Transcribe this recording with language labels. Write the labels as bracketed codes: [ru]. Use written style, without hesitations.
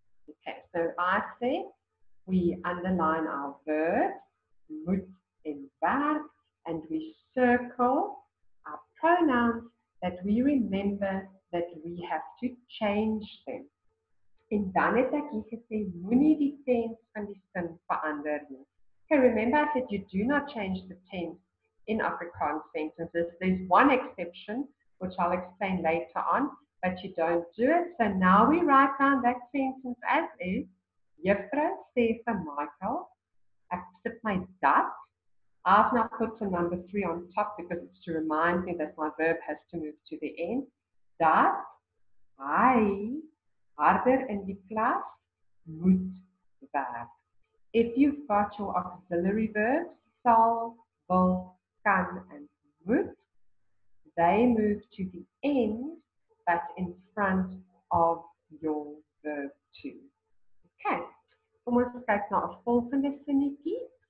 [en] Okay, so I say we underline our verb, [af] moet en werk, [en] and we circle our pronouns that we remember that we have to change them. [af] En dan het ek hier gesê, moenie die tense van die sin verander nie. [en] Okay, remember I said you do not change the tense in Afrikaans sentences. There's one exception, which I'll explain later on, but you don't do it. So now we write down that sentence as is. [af] Juffrou sê vir Michael, ek sit my dat. [en] I've now put the number 3 on top because it's to remind me that my verb has to move to the end. [af] Dat hy harder in die klas moet werk. [en] If you've got your auxiliary verbs, sal, wil, kan, and moet, they move to the end, but in front of your verb too. Okay. [af] Kom ons kyk na 'n volgende sinnetjie.